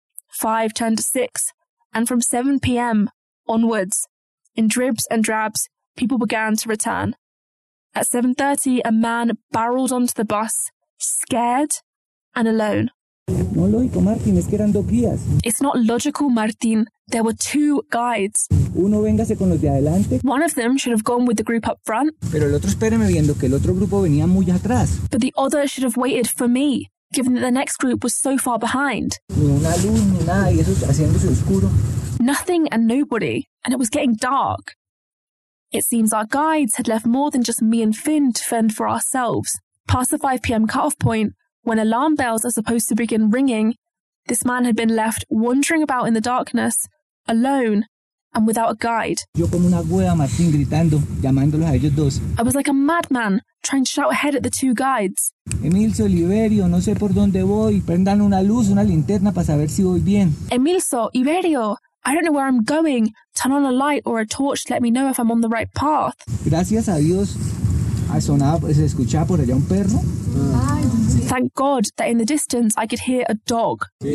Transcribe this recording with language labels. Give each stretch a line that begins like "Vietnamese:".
English: 5 turned to 6, and from 7 p.m. onwards, in dribs and drabs, people began to return. At 7:30, a man barreled onto the bus, scared and alone.
Spanish: No logico, Martin. Es que eran dos guías.
English: It's not logical, Martin. There were two guides.
Spanish: Uno véngase con los de adelante.
English: One of them should have gone with the group up front.
Spanish: Pero el otro espéreme viendo que el otro grupo venía muy atrás.
English: But the other should have waited for me, given that the next group was so far behind.
Spanish: Ni una luz, ni nada, y eso haciéndose oscuro.
English: Nothing and nobody, and it was getting dark. It seems our guides had left more than just me and Finn to fend for ourselves. Past the 5 p.m. cutoff point, when alarm bells are supposed to begin ringing, this man had been left wandering about in the darkness, alone, and without a guide.
Spanish: Yo como una hueva, Martín, gritando, llamándolos a ellos dos.
English: I was like a madman, trying to shout ahead at the two guides.
Spanish: Emilio, Oliverio, no sé por dónde voy. Prendan una luz, una linterna, para saber si voy bien.
English: Emilio, Oliverio, I don't know where I'm going. Turn on a light or a torch to let me know if I'm on the right path.
Spanish: Gracias a Dios.
English: Thank God that in the distance I could hear a dog.